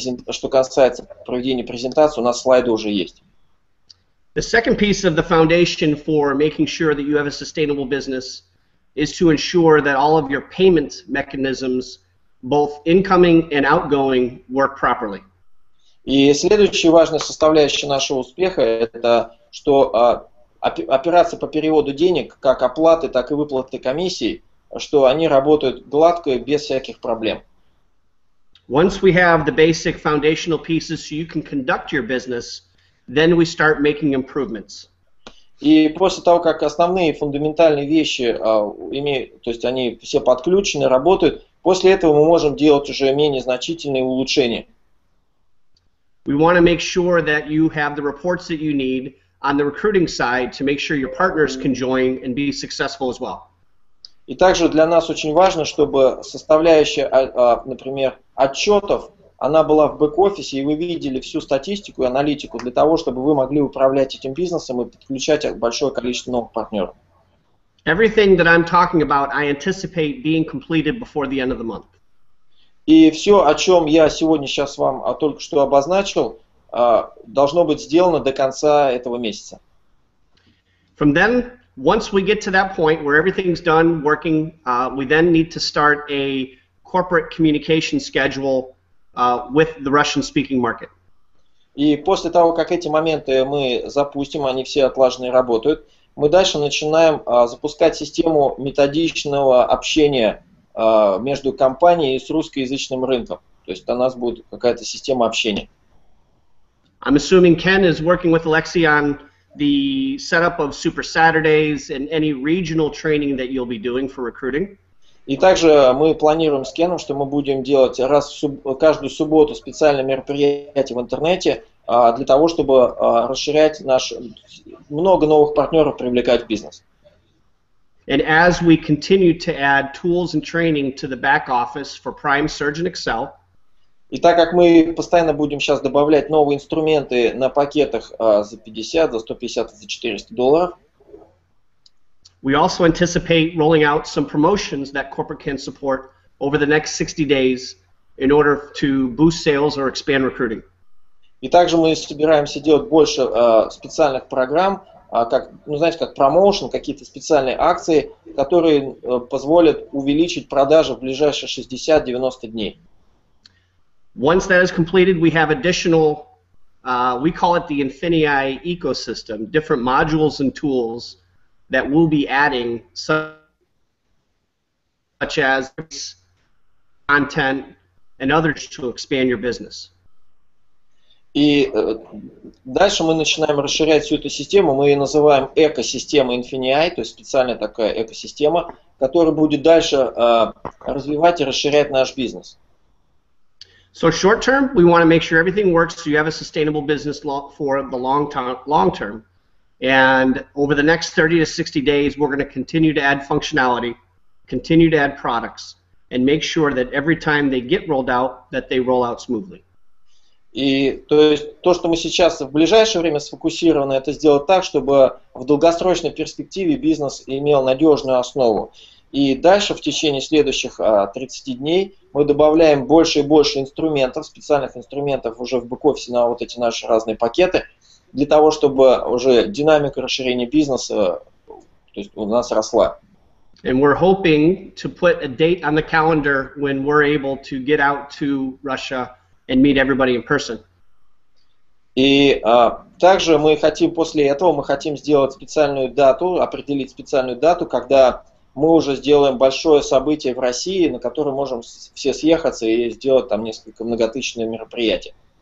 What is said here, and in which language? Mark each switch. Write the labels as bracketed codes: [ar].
[ru] Что касается проведения презентации, у нас слайды уже есть. [en] The second piece of the foundation for making sure that you have a sustainable business is to ensure that all of your payment mechanisms, both incoming and outgoing, work properly. [ru] И следующая важная составляющая нашего успеха – это что операции по переводу денег, как оплаты, так и выплаты комиссий, что они работают гладко и без всяких проблем. [en] Once we have the basic foundational pieces so you can conduct your business, then we start making improvements. [ru] И после того, как основные фундаментальные вещи, то есть они все подключены, работают, после этого мы можем делать уже менее значительные улучшения. [en] We want to make sure that you have the reports that you need on the recruiting side to make sure your partners can join and be successful as well. [ru] И также для нас очень важно, чтобы составляющая, например, отчетов, она была в бэк-офисе, и вы видели всю статистику и аналитику для того, чтобы вы могли управлять этим бизнесом и подключать большое количество новых партнеров. [en] Everything that I'm talking about, I anticipate being completed before the end of the month. [ru] И все, о чем я сегодня сейчас вам только что обозначил, должно быть сделано до конца этого месяца. [en] From then, once we get to that point where everything's done, working, we then need to start a corporate communication schedule with the Russian-speaking market. [ru] И после того, как эти моменты мы запустим, они все отлажены и работают, мы дальше начинаем запускать систему методичного общения между компанией и с русскоязычным рынком. То есть у нас будет какая-то система общения. [en] I'm assuming Ken is working with Alexei on the setup of Super Saturdays and any regional training that you'll be doing for recruiting. [ru] И также мы планируем с Кеном, что мы будем делать каждую субботу специальное мероприятие в интернете, для того, чтобы расширять наш, много новых партнеров привлекать в бизнес. [en] And as we continue to add tools and training to the back office for Prime Surgeon Excel, [ru] и так как мы постоянно будем сейчас добавлять новые инструменты на пакетах за 50, за 150, за $400, [en] we also anticipate rolling out some promotions that corporate can support over the next 60 days in order to boost sales or expand recruiting. [ru] И также мы собираемся делать больше специальных программ, как, ну, знаете, как промоушен, какие-то специальные акции, которые позволят увеличить продажи в ближайшие 60-90 дней. [en] Once that is completed, we have additional, we call it the Infinii ecosystem, different modules and tools that we'll be adding, such as content and others to expand your business. [ru] И дальше мы начинаем расширять всю эту систему, мы ее называем экосистемой Infinii, то есть специальная такая экосистема, которая будет дальше развивать и расширять наш бизнес. [en] So short term, we want to make sure everything works so you have a sustainable business for the long term. And over the next 30 to 60 days, we're going to continue to add functionality, continue to add products, and make sure that every time they get rolled out, that they roll out smoothly. [ru] И то есть то, что мы сейчас в ближайшее время сфокусированы, это сделать так, чтобы в долгосрочной перспективе бизнес имел надежную основу. И дальше в течение следующих 30 дней мы добавляем больше и больше инструментов, специальных инструментов уже в бэк-офисе на вот эти наши разные пакеты, для того, чтобы уже динамика расширения бизнеса то есть у нас росла. [en] And we're hoping to put a date on the calendar when we're able to get out to Russia and meet everybody in person. [ru] И также мы хотим после этого, мы хотим сделать специальную дату, определить специальную дату, когда мы уже сделаем большое событие в России, на которое можем все съехаться и сделать там несколько многотысячных мероприятий.